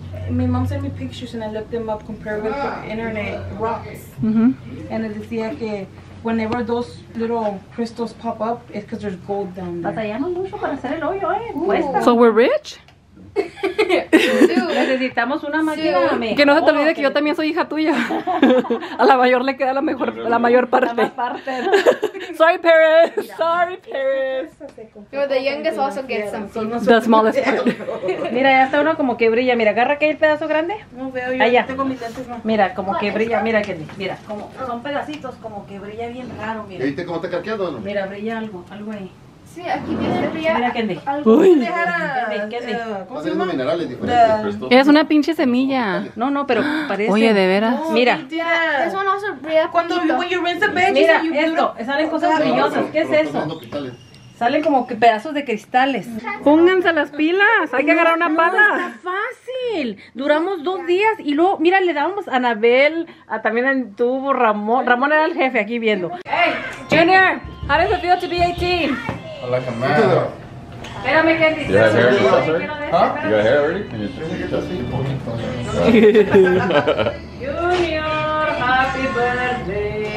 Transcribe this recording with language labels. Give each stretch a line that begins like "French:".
English: My mom sent me pictures and I looked them up compared with the internet rocks. Uh-huh. And it
Spanish: decía que
English: whenever those little crystals pop up, it's because there's gold down there. So we're rich?
Spanish: Necesitamos una máquina. Que no se te olvide que yo también soy hija tuya. A la mayor le queda la mayor parte.
English: Sorry, Paris. Sorry, Paris. No, the youngest also gets some. The smallest part.
Spanish: Mira, ya está uno como que brilla. Mira, agarra aquel pedazo grande. No veo yo. Allá. Tengo mis lentes, ¿no? Mira, como que brilla. Mira, Kendi. Mira, como son pedacitos como que brilla bien raro. Mira. ¿Viste cómo está calqueado? ¿No? Mira, brilla algo ahí. Sí, aquí viene el brillo. Mira, Kendi. Uy. Kendi. ¿Cómo se llama? Minerales diferentes. Es una pinche semilla. No, no, pero parece. Oye, de veras. Oh, mira. Es una cosa brillante. Cuando
English: you rinse the veggies,
Spanish: mira, salen cosas brillosas. ¿Qué es eso? Salen como que pedazos de cristales. Pónganse las pilas. Hay que agarrar una pala. No, no está fácil. Duramos dos días y luego, mira, le dábamos a Anabel, también a tuvo Ramón. Ramón era el jefe aquí viendo.
English: Hey, Junior, how does it feel to be 18? I like a man. You got hair already? Huh? You got hair already? Junior, happy birthday.